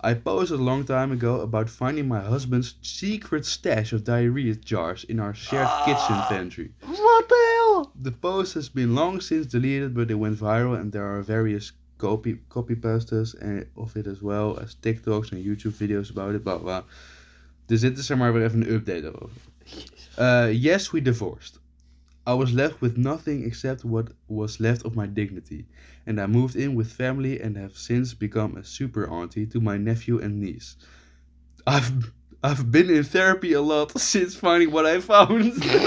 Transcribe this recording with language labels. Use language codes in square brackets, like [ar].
[en] I posted a long time ago about finding my husband's secret stash of diarrhea jars in our shared kitchen pantry. What the hell? The post has been long since deleted, but it went viral and there are various copypastas of it as well as TikToks and YouTube videos about it, blah, blah. [nl] Dus dit is er maar weer even een update over. [en] Yes, we divorced. I was left with nothing except what was left of my dignity. And I moved in with family and have since become a super auntie to my nephew and niece. I've been in therapy a lot since finding what I found.